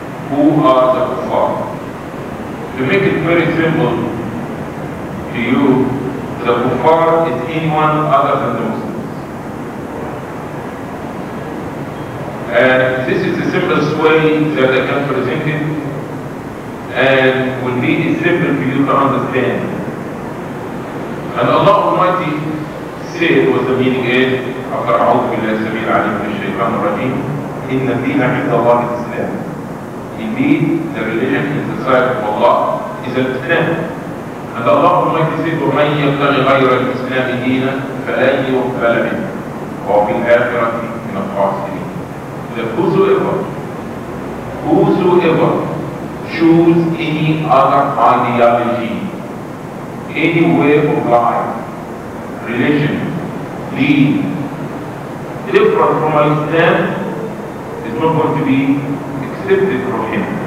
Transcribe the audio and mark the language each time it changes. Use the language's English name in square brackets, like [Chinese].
[English] Who are the kuffar? To make it very simple to you, the kuffar is anyone other than the Muslims. And this is the simplest way that I can present it and will be it simple for you to understand. And Allah Almighty said what the meaning is, after [Arabic] أعوذ بالله السميع العليم من الشيطان الرجيم إن الدين عند الله الإسلام. [English] Indeed, the religion in the sight of Allah is Al-Islam. And Allah Almighty said, [Arabic] وَمَنْ يَبْتَغِ غَيْرَ الْإِسْلَامِ دِينًا فَلَنْ يُقْبَلَ مِنْهُ وَفِي الْآخِرَةِ مِنَ الْخَاسِرِينَ. [English] That whosoever choose any other ideology, any way of life, religion, deen, different from Al-Islam, is not going to be accepted from him.